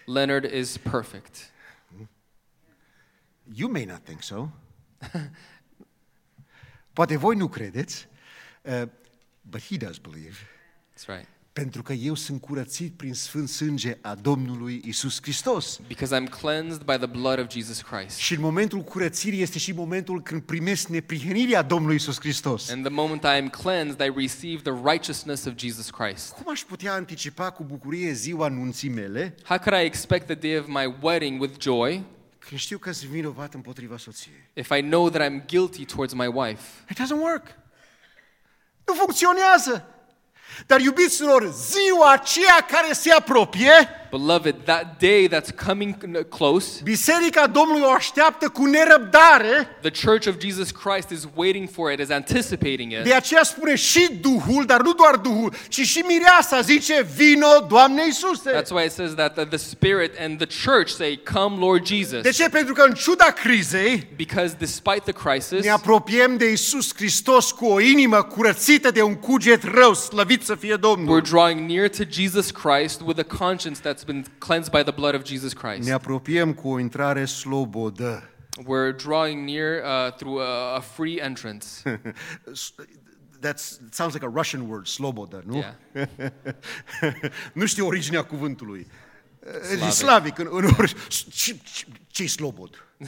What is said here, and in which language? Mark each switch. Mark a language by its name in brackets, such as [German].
[English] Leonard is perfect. You may not think so. [Romanian] Poate voi nu credeți. [English] But he does believe. That's right. [Romanian] Pentru că eu sunt curățit prin sfânt sânge a Domnului Iisus Hristos. [English] Because I'm cleansed by the blood of Jesus Christ. [Romanian] Și în momentul curățirii este și momentul când primesc neprihănirea Domnului Iisus Hristos. [English] And the moment I am cleansed, I receive the righteousness of Jesus Christ. [Romanian] Cum aș putea anticipa cu bucurie ziua nunții mele? [English] How could I expect the day of my wedding with joy? [Romanian] Când știu că sunt vinovat împotriva soției. [English] If I know that I'm guilty towards my wife. It doesn't work. [Romanian] Nu funcționează. Dar iubiților, ziua aceea care se apropie, [English] beloved, that day that's coming close, [Romanian] biserica Domnului o așteaptă cu nerăbdare. [English] The Church of Jesus Christ is waiting for it, is anticipating it. [Romanian] De aceea spune și Duhul, dar nu doar Duhul, ci și Mireasa zice, vino Doamne Iisuse. [English] That's why it says that the Spirit and the Church say, come Lord Jesus. [Romanian] De ce? Pentru că în ciuda crizei, [English] because despite the crisis, [Romanian] ne apropiem de Iisus Hristos cu o inimă curățită de un cuget rău, slăvit să fie Domnul. [English] We're drawing near to Jesus Christ with a conscience that's been cleansed by the blood of Jesus Christ. [Romanian] Ne apropiem cu o intrare slobodă. [English] We're drawing near through a free entrance. That sounds like a Russian word, sloboda, nu? Yeah. [Romanian] Nu știu originea cuvântului. Slavic. Slavic în ori, ce e slobod?